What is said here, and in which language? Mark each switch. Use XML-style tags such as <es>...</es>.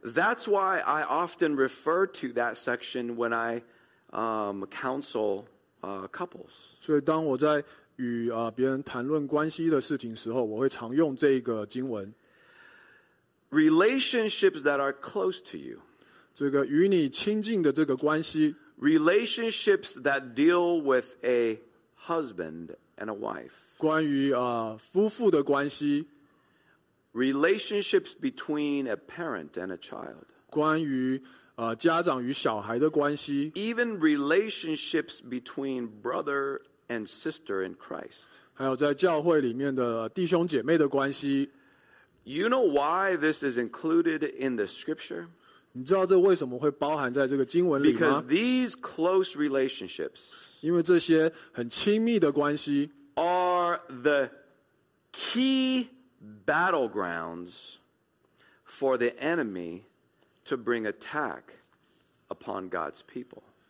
<en>That's why I often refer to that section when I counsel couples.</en> <zh>所以当我在 与别人谈论关系的事情时候，我会常用这个经文。</zh> <en>Relationships that are close to you.</en> <zh>这个与你亲近的这个关系。</zh> <en>Relationships that deal with a husband and a wife.</en> <zh>关于夫妇的关系。</zh> <en>Relationships between a parent and a child.</en> <zh>关于家长与小孩的关系。</zh> <en>Even relationships between brother and sister in Christ.</en> <zh>还有在教会里面的弟兄姐妹的关系。</zh> <en>You know why this is included in the scripture?</en> <zh>你知道这为什么会包含在这个经文里吗?</zh> <en>Because these close relationships</en> <zh>因为这些很亲密的关系</zh> <en>are the key battlegrounds for the enemy to bring attack upon God's people.</en>